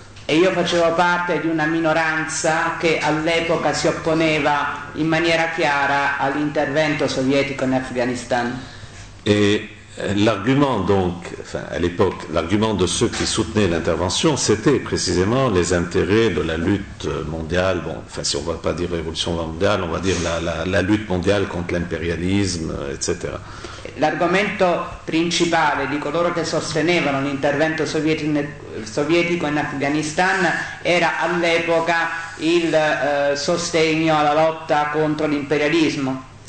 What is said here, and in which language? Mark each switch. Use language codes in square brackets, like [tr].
[it] E io facevo parte di una minoranza che all'epoca si opponeva in maniera chiara all'intervento sovietico in Afghanistan. [fr] Et l'argument donc, enfin à l'époque, l'argument de ceux qui soutenaient l'intervention, c'était précisément les intérêts de la lutte mondiale, bon, enfin si on va pas dire révolution mondiale, on va dire la lutte mondiale contre l'impérialisme, etc. [it] L'argomento principale di coloro che sostenevano l'intervento sovietico in Afghanistan era all'epoca il sostegno alla lotta contro l'imperialismo.